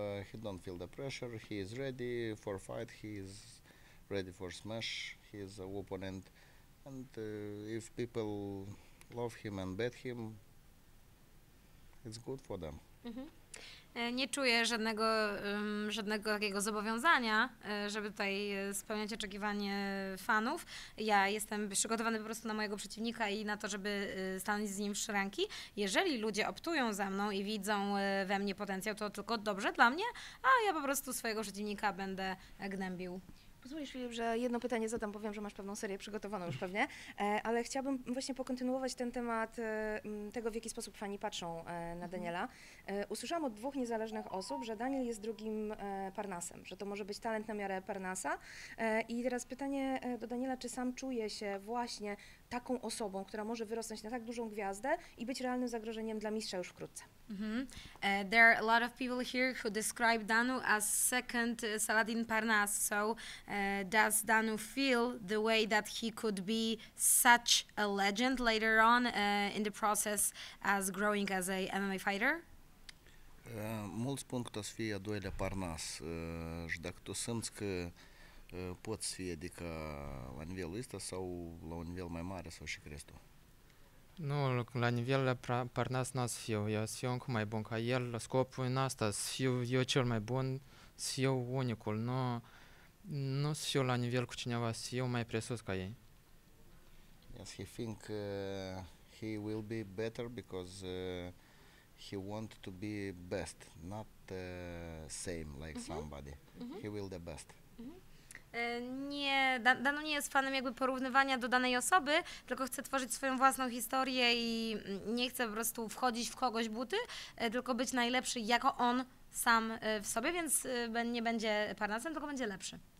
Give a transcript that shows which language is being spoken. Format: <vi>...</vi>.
<en>He don't feel the pressure, he is ready for fight, he is ready for smash. His opponent, and if people love him and bet him, it's good for them.</en> <pl>Nie czuję żadnego takiego zobowiązania, żeby tutaj spełniać oczekiwanie fanów. Ja jestem przygotowany po prostu na mojego przeciwnika i na to, żeby stanąć z nim w szranki. Jeżeli ludzie optują za mną i widzą we mnie potencjał, to tylko dobrze dla mnie, a ja po prostu swojego przeciwnika będę gnębił. Pozwolisz, Filip, że jedno pytanie zadam, powiem, że masz pewną serię przygotowaną już pewnie, ale chciałabym właśnie pokontynuować ten temat tego, w jaki sposób fani patrzą na Daniela. Usłyszałam od dwóch niezależnych osób, że Daniel jest drugim Parnasem, że to może być talent na miarę Parnasa. I teraz pytanie do Daniela, czy sam czuje się właśnie taką osobą, która może wyrosnąć na tak dużą gwiazdę i być realnym zagrożeniem dla mistrza już wkrótce.</pl> <en>There are a lot of people here who describe Danu as second Saladin Parnas. So does Danu feel the way that he could be such a legend later on in the process as growing as a MMA fighter?</en> <ro>Mulți spun că o să fie a doilea Parnas. Și dacă tu simți că poți fi, adică, la nivelul ăsta sau la un nivel mai mare sau și crezi tu? Nu, la nivelul Parnas nu o să fiu. Eu o să fiu încă mai bun ca el. Scopul e în asta, să fiu eu cel mai bun, să fiu unicul. Nu o să fiu la nivel cu cineva, să fiu mai presus ca ei.</ro> <en>Yes, he think he will be better because he want to be best, not same like mm-hmm. somebody. Mm-hmm. He will the best.</en> <pl>Nie, Dano nie jest fanem jakby porównywania do danej osoby, tylko chce tworzyć swoją własną historię i nie chce po prostu wchodzić w kogoś buty, tylko być najlepszy jako on sam w sobie, więc nie będzie parnasem, tylko będzie lepszy.</pl>